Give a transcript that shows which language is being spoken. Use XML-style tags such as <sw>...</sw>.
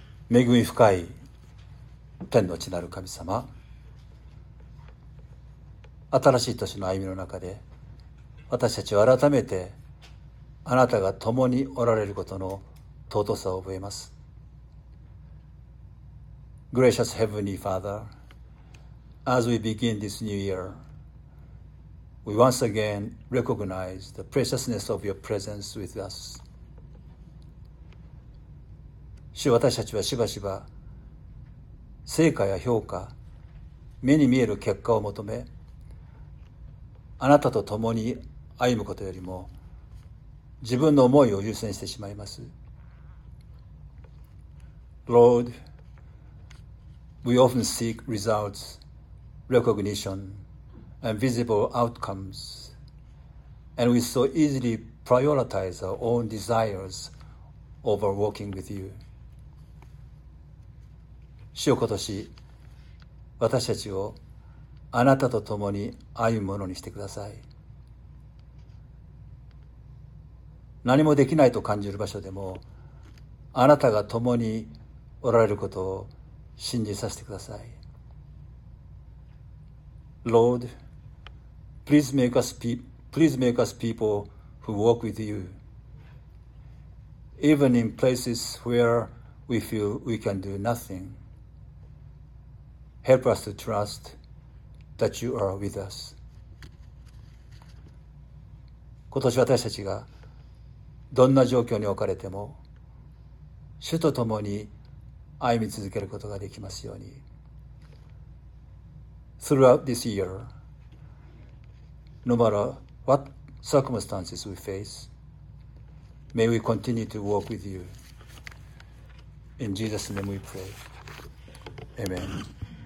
<ja>恵み深い天の地なる神様、新しい年の歩みの中で私たちは改めてあなたが共におられることの尊さを覚えます。</ja> <en>Gracious Heavenly Father, as we begin this new year, we once again recognize the preciousness of your presence with us.</en> <ja>主、私たちはしばしば成果や評価、目に見える結果を求め、あなたと共に歩むことよりも自分の思いを優先してしまいます。</ja> <en>Lord, we often seek results, recognition, and visible outcomes, and we so easily prioritize our own desires over working with you.</en> <ja>主よ、今年私たちをあなたと共に歩むものにしてください。何もできないと感じる場所でも、あなたが共におられることを信じさせてください。</ja> <en>Lord, please make us people who walk with you, even in places where we feel we can do nothing. Help us to trust that you are with us.</en> <ja>今年私たちがどんな状況に置かれても、主と共に歩み続けることができますように。</ja> <en>Throughout this year, no matter what circumstances we face, may we continue to walk with you. In Jesus' name we pray. Amen.</en>